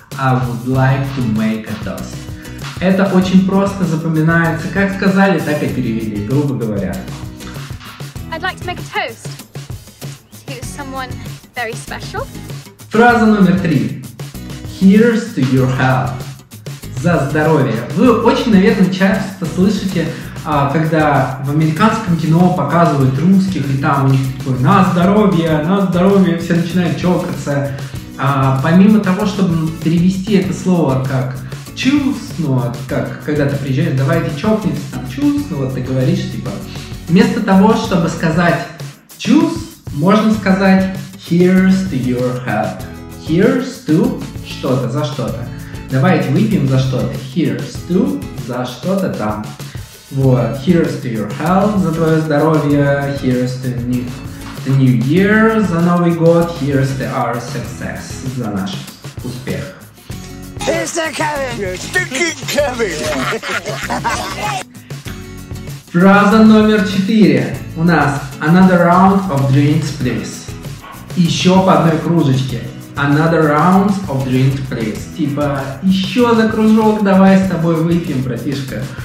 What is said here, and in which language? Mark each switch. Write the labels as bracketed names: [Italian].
[English] I would like to make a toast. [Russian] Это очень просто запоминается. Как сказали, так и перевели, грубо говоря. [English] I'd like to make a toast to someone very special. [Russian] Фраза номер три. [English] Here's to your health. [Russian] За здоровье. Вы очень, наверное, часто слышите, когда в американском кино показывают русских, и там у них такое на здоровье, все начинают чокаться. Помимо того, чтобы перевести это слово как choose, ну, как когда ты приезжаешь, давайте чокнемся, там choose, ну, вот ты говоришь, типа, вместо того, чтобы сказать choose, можно сказать [English] here's to your health. Here's to [Russian] что-то, за что-то. Давайте выпьем за что-то. [English] Here's to [Russian] за что-то там. Вот, [English] here's to your health, [Russian] за твое здоровье. [English] Here's to the new year, [Russian] за Новый год. [English] Here's to our success, [Russian] за наш успех. Фраза номер четыре. У нас [English] another round of drinks, please. [Russian] Еще по одной кружечке. [English] Another round of drinks, please. [Russian] Типа, еще за кружок давай с тобой выпьем, братишка.